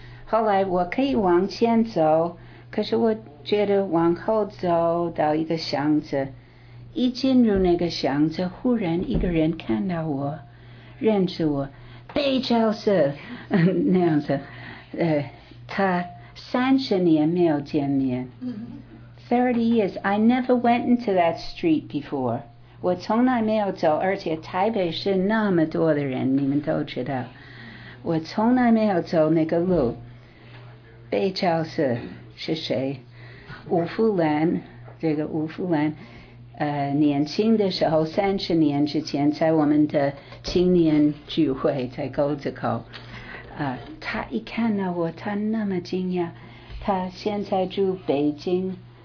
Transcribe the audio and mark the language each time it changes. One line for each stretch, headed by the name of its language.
Chinese: 后来我可以往前走，可是我觉得往后走到一个箱子，一进入那个箱子，忽然一个人看到我，认识我，贝教授那样子，他30年没有见面。
English: 30 years, I never went into that street before.
Chinese: 我从来没有走，而且台北是那么多的人，你们都知道，我从来没有走那个路。贝教授是谁？吴富兰，这个吴富兰，年轻的时候，30年之前，在我们的青年聚会，在沟子口，他一看到我，他那么惊讶，他现在住北京。